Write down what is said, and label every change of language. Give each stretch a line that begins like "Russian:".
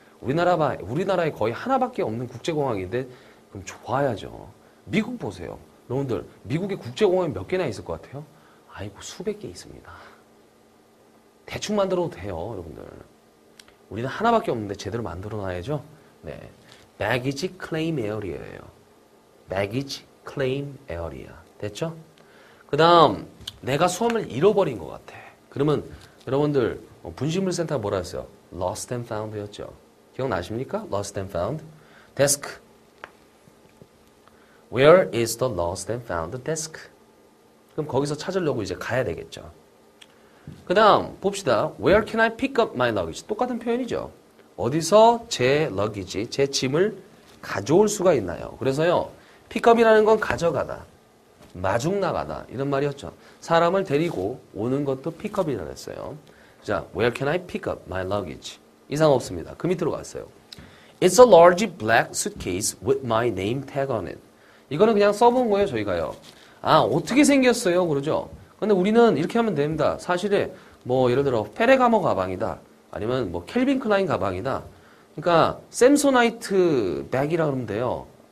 Korean: 우리나라에 거의 하나밖에 없는 국제공항인데, 그럼 좋아야죠. 미국 보세요. 여러분들, 미국에 국제공항이 몇 개나 있을 것 같아요? 아이고, 수백 개 있습니다. 대충 만들어도 돼요, 여러분들. 우리는 하나밖에 없는데 제대로 만들어놔야죠? 네.
English: Baggage claim area예요. Baggage claim area. 됐죠?
Korean: 그 다음, 내가 수하물을 잃어버린 것 같아. 그러면 여러분들 분실물 센터 뭐라 했어요?
English: Lost and found였죠.
Korean: 기억나십니까?
English: Lost and found. Desk. Where is the lost and found desk?
Korean: 그럼 거기서 찾으려고 이제 가야 되겠죠. 그 다음 봅시다.
English: Where can I pick up my luggage?
Korean: 똑같은 표현이죠. 어디서 제 러기지, 제 짐을 가져올 수가 있나요? 그래서요, pick up이라는 건 가져가다. 마중 나가다 이런 말이었죠. 사람을 데리고 오는 것도 픽업이라고 했어요.
English: 자, Where can I pick up my luggage?
Korean: 이상 없습니다. 그 밑으로 갔어요.
English: It's a large black suitcase with my name tag on it.
Korean: 이거는 그냥 써본 거예요, 저희가요. 아, 어떻게 생겼어요? 그러죠. 근데 우리는 이렇게 하면 됩니다. 사실에 뭐 예를 들어 페레가모 가방이다, 아니면 뭐 켈빈 클라인 가방이다. 그러니까 샘소나이트 백이라고 하면 돼요.